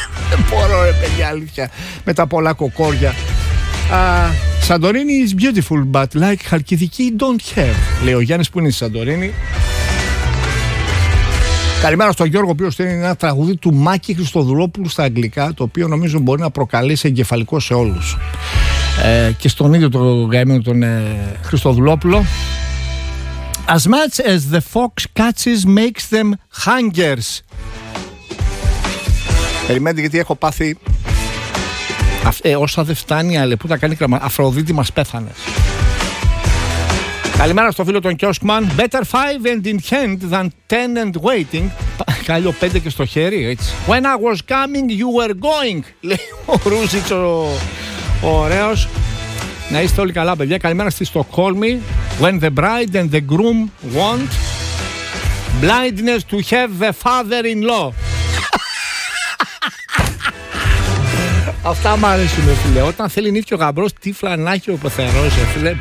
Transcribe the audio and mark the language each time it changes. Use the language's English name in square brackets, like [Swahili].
[Greek] Δεν μπορώ, ρε παιδιά, αλήθεια. Με τα πολλά κοκόρια. Σαντορίνη [English] is beautiful, but like [Greek] Χαλκιδική, [English] don't care. [Greek] Λέει ο Γιάννης που είναι στη Σαντορίνη. Καλημέρα στον Γιώργο, ο οποίος στέλνει ένα τραγούδι του Μάκη Χριστοδουλόπουλου στα αγγλικά, το οποίο νομίζω μπορεί να προκαλέσει εγκεφαλικό σε όλους. Και στον ίδιο τον καημένο τον Χριστοδουλόπουλο. [English] As much as the fox catches makes them hangers. [Greek] Περιμένετε, γιατί έχω πάθει. Όσα δεν φτάνει, αλεπού τα κάνει κραμα. Αφροδίτη μας πέθανε. Καλημέρα στο φίλο τον Κιόσκμαν. [English] Better five and in hand than ten and waiting. [Greek] Καλό πέντε και στο χέρι, έτσι. [English] When I was coming, you were going. [Greek] Λέει ο Ρούζιτς ο ωραίος. Να είστε όλοι καλά, παιδιά. Καλημέρα στη Στοκχόλμη. [English] When the bride and the groom want blindness to have the father-in-law. [Greek] Αυτά μου αρέσουν, φίλε. Όταν θέλει νύχτιο γαμπρός, τι φλανάχι ο πεθερός, φίλε.